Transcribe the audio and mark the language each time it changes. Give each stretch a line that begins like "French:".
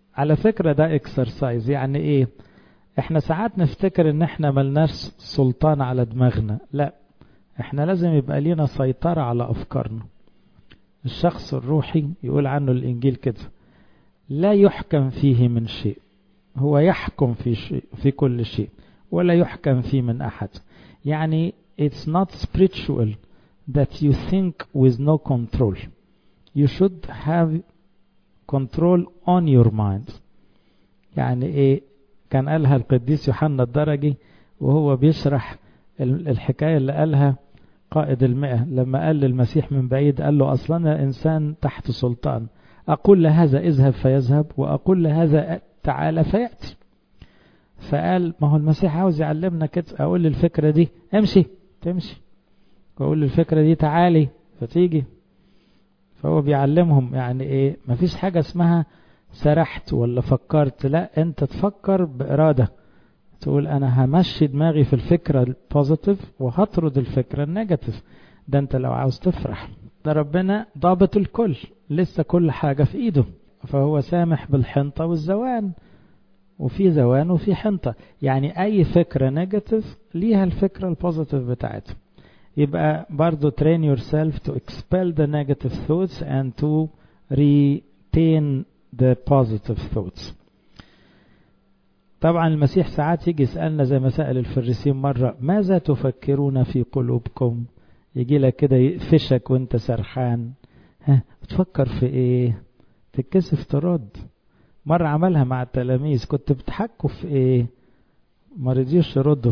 Arabic: على فكرة ده exercise. يعني ايه؟ احنا ساعات نفتكر ان احنا ملناش سلطان على دماغنا. لا احنا لازم يبقى لينا سيطرة على افكارنا. الشخص الروحي يقول عنه الانجيل كده لا يحكم فيه من شيء. هو يحكم في شيء في كل شيء ولا يحكم فيه من احد. يعني
English: it's not spiritual that you think with no control. You should have control on your mind.
Arabic: يعني ايه؟ كان قالها القديس يوحنا الدرجي وهو بيشرح الحكاية اللي قالها قائد المئة لما قال للمسيح من بعيد قال له اصلا انسان تحت سلطان. اقول لهذا اذهب فيذهب واقول لهذا تعالى فيأتي. فقال ما هو المسيح عاوز يعلمنا كده. اقول الفكرة دي امشي تمشي. بقول الفكرة دي تعالي فتيجي. فهو بيعلمهم يعني ايه مفيش حاجة اسمها سرحت ولا فكرت. لا انت تفكر بارادة تقول انا همشي دماغي في الفكرة البوزيتيف وهطرد الفكرة النيجاتيف. ده انت لو عاوز تفرح. ده ربنا ضابط الكل لسه كل حاجة في ايده. فهو سامح بالحنطة والزوان. وفي زوان وفي حنطة. يعني اي فكرة نيجاتيف ليها الفكرة البوزيتيف بتاعتها. يبقى برضو
English: train yourself to expel the negative thoughts and to retain the positive thoughts.
Arabic: طبعا المسيح ساعات يجي يسألنا زي ما سأل الفريسيين مرة ماذا تفكرون في قلوبكم. يجي لك كده يقفشك وانت سرحان. ها تفكر في ايه؟ تتكسف ترد. مرة عملها مع التلاميذ كنت بتحكوا في ايه؟ ما رضيوش يردوا.